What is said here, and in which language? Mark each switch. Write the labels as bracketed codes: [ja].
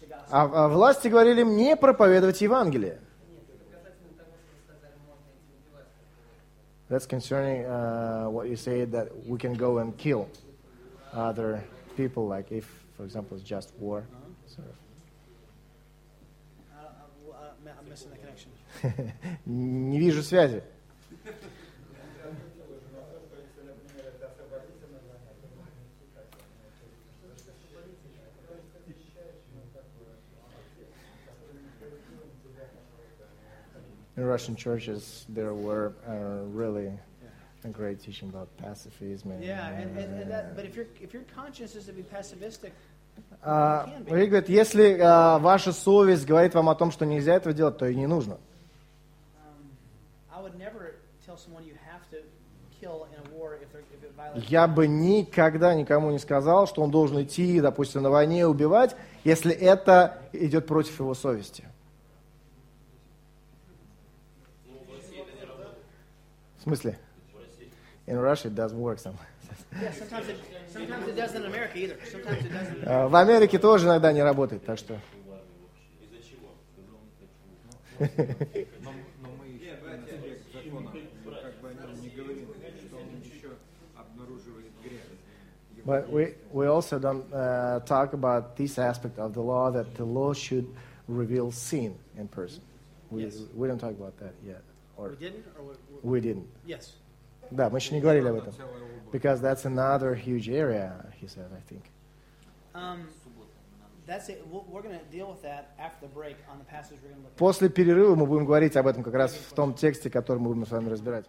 [ru] А власти говорили им не проповедовать Евангелие. [en] That's concerning what you say, that we can go and kill other people, like if, for example, it's just war. Sort of. I'm missing the connection. [ru] Не вижу связи. [en] In Russian churches, there were really a great teaching about pacifism. Yeah, and that, but if your conscience is to be pacifistic, [ru] he говорит, если ваша совесть говорит вам о том, что нельзя этого делать, то и не нужно. [en] I would never tell someone you have to kill in a war if it violates. [ru] Я бы никогда никому не сказал, что он должен идти, допустим, на войне убивать, если это идет против его совести. В смысле? [en] In Russia it does work some. Yeah, sometimes it doesn't in America either. [ru] В Америке тоже иногда не работает, так что. Из-за чего? Но мы еще закона, как бы о нем не говорим, что он еще обнаруживает грех. [en] But we also don't talk about this aspect of the law, that the law should reveal sin in person. We don't talk about that yet. We didn't. Yes. [ru] Да, мы еще не говорили об этом. [en] Because that's another huge area, he said, I think. That's it. We're going to deal with that after the break on the passage we're going to look at. [ru] После перерыва мы будем говорить об этом как раз в том тексте, который мы будем с вами разбирать.